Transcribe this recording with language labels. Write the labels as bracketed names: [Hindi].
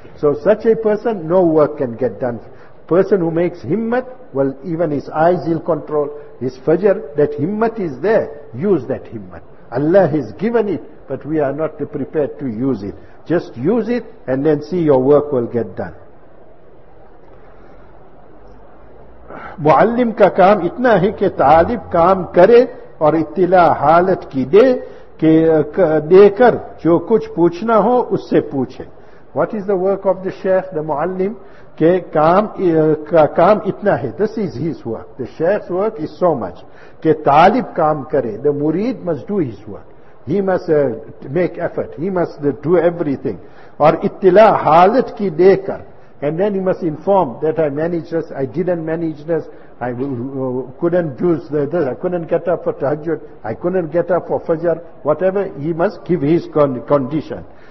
[English] So such a person, no work can get done. Person who makes himmat, well, even his eyes he'll control, his fajr, that himmat is there, use that himmat. Allah has given it, but we are not prepared to use it. Just use it and then see your work will get done. [Urdu] معلم کا کام اتنا ہے کہ طالب کام کرے اور اطلاع حالت کی دے کہ دے کر جو کچھ پوچھنا ہو اس سے پوچھے. [English] What is the work of the شیخ, the معلم, [Urdu] کہ کام کا کام اتنا ہے. [English] This is his work. The شیخ's work is so much. [Urdu] کہ طالب کام کرے. [English] The murid must do his work. He must make effort. He must do everything. [Urdu] اور اطلاع حالت کی دے کر. [English] And then he must inform that I managed this, I didn't manage this, I couldn't do this, I couldn't get up for tahajjud, I couldn't get up for fajr, whatever, he must give his condition.